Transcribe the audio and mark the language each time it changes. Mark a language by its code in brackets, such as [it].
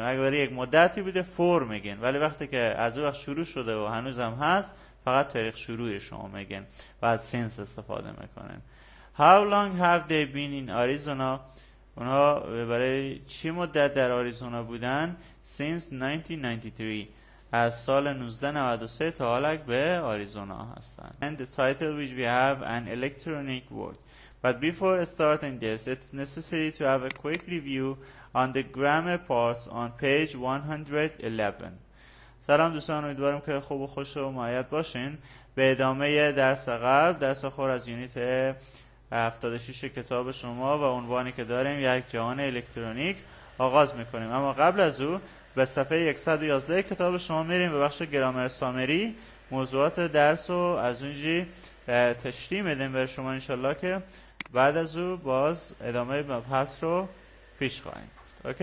[fa] اگه برای یک مدتی بوده فور میگن، ولی وقتی که از اون وقت شروع شده و هنوز هم هست فقط تاریخ شروع شما میگن و از سنس استفاده میکنن. [en] How long have they been in Arizona? [fa] اونا برای چی مدت در آریزونا بودن؟ [en] Since 1993. [fa] از سال 1993 تا حالا به آریزونا هستن. [en] And the title which we have, an electronic word. But before starting this, it's necessary to have a quick review on the grammar parts on page 111. [fa] سلام دوستان، امیدوارم که خوب و خوش و معید باشین. به ادامه درس قبل، درس آخر از یونیت 76 کتاب شما و عنوانی که داریم یک جهان الکترونیک آغاز میکنیم. اما قبل از او به صفحه 111 کتاب شما میریم و بخش گرامر سامری موضوعات درس رو از اونجی تشریح میدیم بر شما انشالله، که بعد از او باز ادامه مبحث رو پیش خواهیم برد.